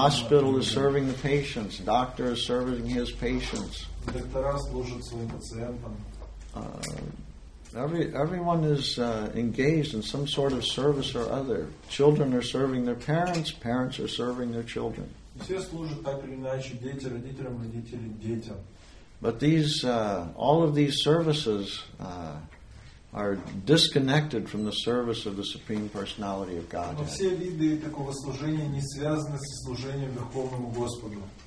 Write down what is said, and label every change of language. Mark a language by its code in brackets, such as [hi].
[en] Hospital is serving the patients. Doctor is serving his patients. [ru] Доктора служат своим пациентам. [en] Everyone is engaged in some sort of service or other. Children are serving their parents. Parents are serving their children. [ru] Все служат так или иначе, дети родителям, родители детям. [en] But these, all of these services are disconnected from the service of the Supreme Personality of Godhead. [ru] Но все виды такого служения не связаны с служением Верховному Господу.